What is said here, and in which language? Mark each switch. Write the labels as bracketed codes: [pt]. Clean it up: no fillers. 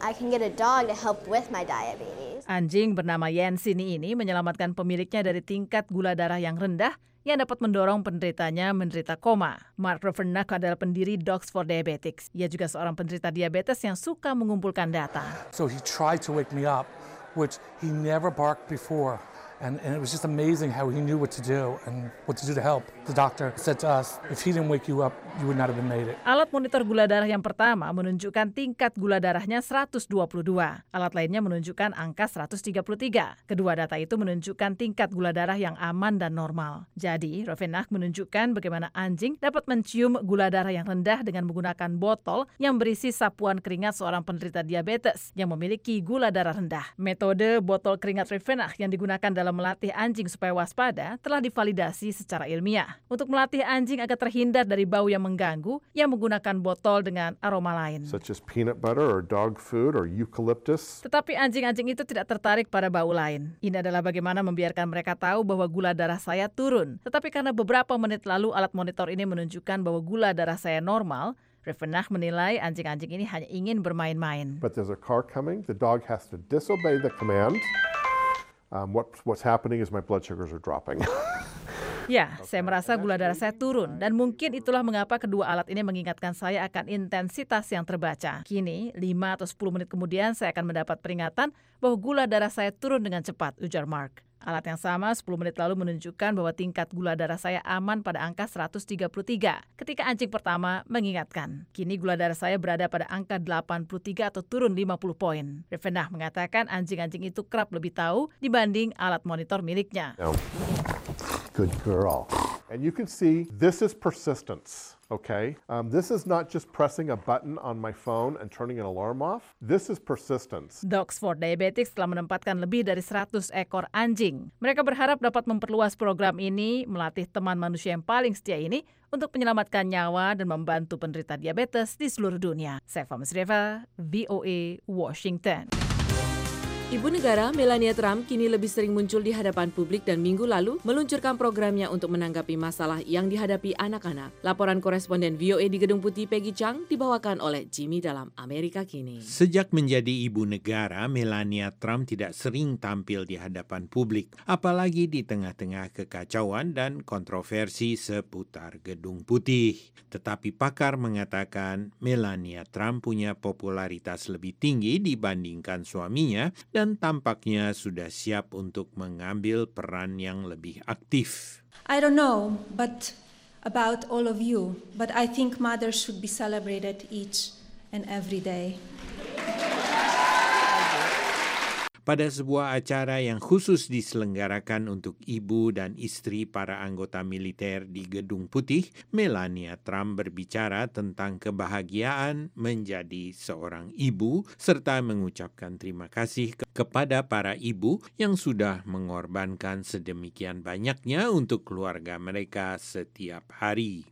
[en] I can get a dog to help with my diabetes. [id] Anjing bernama Yensini ini menyelamatkan pemiliknya dari tingkat gula darah yang rendah yang dapat mendorong penderitanya menderita koma. Mark Ravernack adalah pendiri Dogs for Diabetics. Ia juga seorang penderita diabetes yang suka mengumpulkan data. [en] So he tried to wake me up, which he never barked before. And it was just amazing how he knew what to do and what to do to help. The doctor said to us, if he didn't wake you up, you would not have been made it. [id] Alat monitor gula darah yang pertama menunjukkan tingkat gula darahnya 122. Alat lainnya menunjukkan angka 133. Kedua data itu menunjukkan tingkat gula darah yang aman dan normal. Jadi, Ravenak menunjukkan bagaimana anjing dapat mencium gula darah yang rendah dengan menggunakan botol yang berisi sapuan keringat seorang penderita diabetes yang memiliki gula darah rendah. Metode botol keringat Ravenak yang digunakan dalam dalam melatih anjing supaya waspada telah divalidasi secara ilmiah. Untuk melatih anjing agar terhindar dari bau yang mengganggu, ia menggunakan botol dengan aroma lain. Such as peanut butter or dog food or eucalyptus. Tetapi anjing-anjing itu tidak tertarik pada bau lain. Ini adalah bagaimana membiarkan mereka tahu bahwa gula darah saya turun. Tetapi karena beberapa menit lalu alat monitor ini menunjukkan bahwa gula darah saya normal, Rivenach menilai anjing-anjing ini hanya ingin bermain-main. But there's a car coming. The dog has to disobey the command. What's happening is my blood sugars are dropping. Ya, saya merasa gula darah saya turun, dan mungkin itulah mengapa kedua alat ini mengingatkan saya akan intensitas yang terbaca. Kini, 5 atau 10 menit kemudian, saya akan mendapat peringatan bahwa gula darah saya turun dengan cepat, ujar Mark. Alat yang sama 10 menit lalu menunjukkan bahwa tingkat gula darah saya aman pada angka 133 ketika anjing pertama mengingatkan. Kini gula darah saya berada pada angka 83 atau turun 50 poin. Rivenach mengatakan anjing-anjing itu kerap lebih tahu dibanding alat monitor miliknya. [en] Good girl. And you can see this is persistence. Okay. This is not just pressing a button on my phone and turning an alarm off. This is persistence. [id] Dogs for Diabetics telah menempatkan lebih dari 100 ekor anjing. Mereka berharap dapat memperluas program ini, melatih teman manusia yang paling setia ini untuk menyelamatkan nyawa dan membantu penderita diabetes di seluruh dunia. Saya Fahmi Sreva, VOA Washington. Ibu negara Melania Trump kini lebih sering muncul di hadapan publik dan minggu lalu meluncurkan programnya untuk menanggapi masalah yang dihadapi anak-anak. Laporan koresponden VOA di Gedung Putih Peggy Chang dibawakan oleh Jimmy dalam Amerika Kini. Sejak menjadi ibu negara, Melania Trump tidak sering tampil di hadapan publik, apalagi di tengah-tengah kekacauan dan kontroversi seputar Gedung Putih. Tetapi pakar mengatakan Melania Trump punya popularitas lebih tinggi dibandingkan suaminya, dan tampaknya sudah siap untuk mengambil peran yang lebih aktif. [en] I don't know but about all of you, but I think mothers should be celebrated each and every day. [id] Pada sebuah acara yang khusus diselenggarakan untuk ibu dan istri para anggota militer di Gedung Putih, Melania Trump berbicara tentang kebahagiaan menjadi seorang ibu serta mengucapkan terima kasih kepada para ibu yang sudah mengorbankan sedemikian banyaknya untuk keluarga mereka setiap hari.